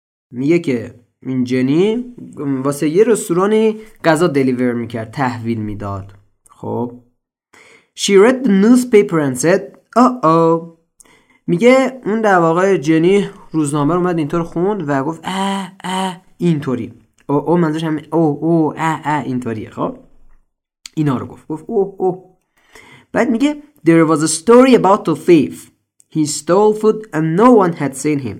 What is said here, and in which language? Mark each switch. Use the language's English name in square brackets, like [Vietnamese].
[Persian] میگه که این جنی واسه یه رستورانی غذا دلیور میکرد، تحویل میداد. [English] خب She read the newspaper and said, Uh-oh. [Persian] میگه اون در واقع جنی روزنامه رو اومد اینطور خوند و گفت اینطوری. او منظورش همین اینطوریه. خب اینا رو گفت. گفت اوه. بعد میگه [English] there was a story about a thief. He stole food and no one had seen him.